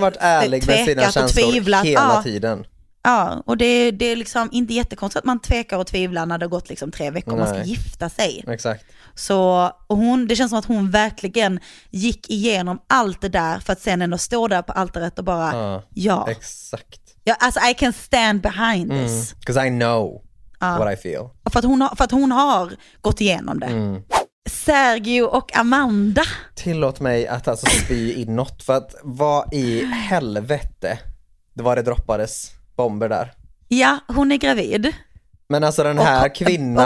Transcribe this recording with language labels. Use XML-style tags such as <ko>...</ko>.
<sv>varit ärlig med sina känslor hela tiden. Ja, och det är liksom inte jättekonstigt att man tvekar och tvivlar när det har gått liksom 3 veckor. Nej. Man ska gifta sig. Exakt. Så och hon, det känns som att hon verkligen gick igenom allt det där för att sen ändå stå där på altaret och bara, ja. Exakt. Ja, alltså,</sv> <en>I can stand behind this. Because I know what I feel.</en> <sv>För att hon har gått igenom det. Mm. Sergio och Amanda. Tillåt mig att alltså spy inåt, för att vad i helvete det var det droppades. Bomber där. Ja, hon är gravid. Men alltså den här kvinnan...</sv>